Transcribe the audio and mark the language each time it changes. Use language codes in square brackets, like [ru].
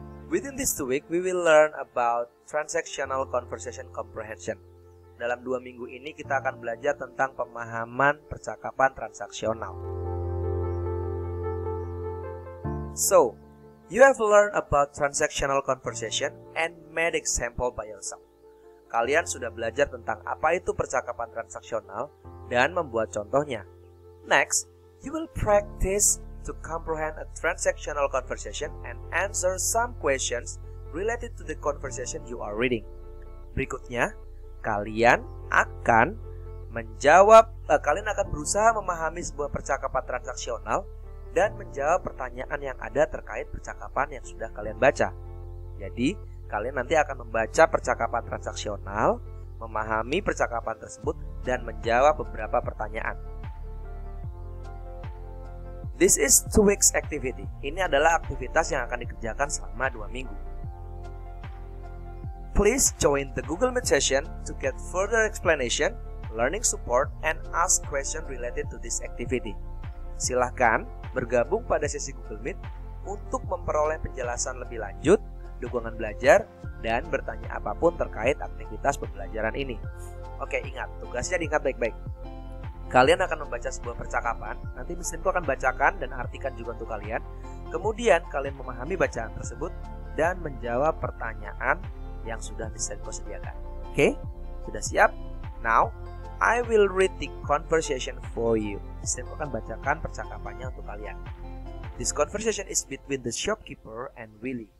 [en] Within this 2 weeks, we will learn about transactional conversation comprehension. [id] Dalam 2 minggu ini, kita akan belajar tentang pemahaman percakapan transaksional. [en] So, you have learned about transactional conversation and made example by yourself. [id] Kalian sudah belajar tentang apa itu percakapan transaksional dan membuat contohnya. [en] Next, you will practice to comprehend a transactional conversation and answer some questions related to the conversation you are reading. [id] Berikutnya, kalian akan berusaha memahami sebuah percakapan transaksional dan menjawab pertanyaan yang ada terkait percakapan yang sudah kalian baca. Jadi, kalian nanti akan membaca percakapan transaksional, memahami percakapan tersebut, dan menjawab beberapa pertanyaan. [en] This is 2 weeks activity. [id] Ini adalah aktivitas yang akan dikerjakan selama 2 minggu. [en] Please join the Google Meet session to get further explanation, learning support, and ask question related to this activity. [id] Silakan bergabung pada sesi Google Meet untuk memperoleh penjelasan lebih lanjut, dukungan belajar, dan bertanya apapun terkait aktivitas pembelajaran ini. Oke, ingat, tugasnya diingat baik-baik. Kalian akan membaca sebuah percakapan, nanti mesinku akan bacakan dan artikan juga untuk kalian. Kemudian kalian memahami bacaan tersebut dan menjawab pertanyaan yang sudah mesinku sediakan. Oke, sudah siap? [en] Now, I will read the conversation for you. [id] Mesinku akan bacakan percakapannya untuk kalian. [en] This conversation is between the shopkeeper and Willy.